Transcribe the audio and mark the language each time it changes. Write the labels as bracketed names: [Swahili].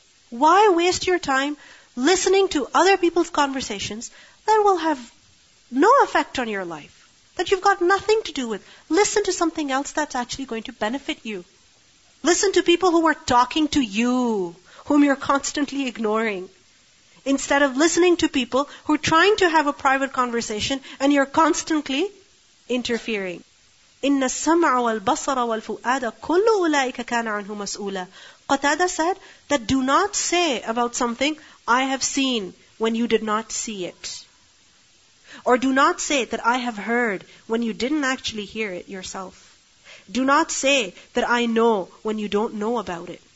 [English] Why waste your time listening to other people's conversations that will have no effect on your life, that you've got nothing to do with? Listen to something else that's actually going to benefit you. Listen to people who are talking to you, whom you're constantly ignoring, instead of listening to people who are trying to have a private conversation and you're constantly interfering. [Arabic] إِنَّ السَّمْعَ وَالْبَصَرَ وَالْفُؤَادَ كُلُّ أُولَٰئِكَ كَانَ عَنْهُ مَسْئُولًا. [English] Qatada said that do not say about something, I have seen, when you did not see it. Or do not say that I have heard, when you didn't actually hear it yourself. Do not say that I know, when you don't know about it.